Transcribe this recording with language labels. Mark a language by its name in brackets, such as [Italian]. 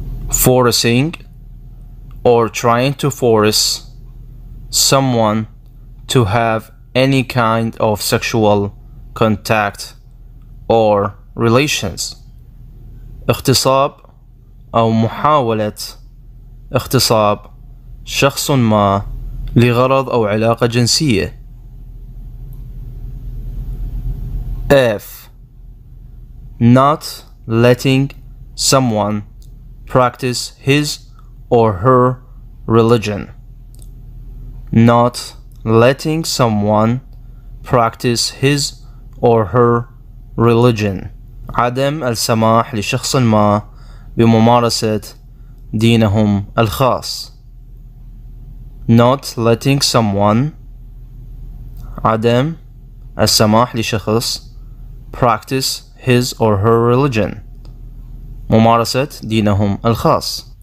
[English] Forcing or trying to force someone to have any kind of sexual contact or relations. [Arabic] اغتصاب أو محاولة اغتصاب شخص ما لغرض أو علاقة جنسية. [English] F. Not letting someone practice his or her religion. Not letting someone practice his or her religion. [Arabic] عدم السماح لشخص ما بممارسة دينهم الخاص. [English] Not letting someone, [Arabic] عدم السماح لشخص, [English] practice his or her religion, [Arabic] ممارسة دينهم الخاص.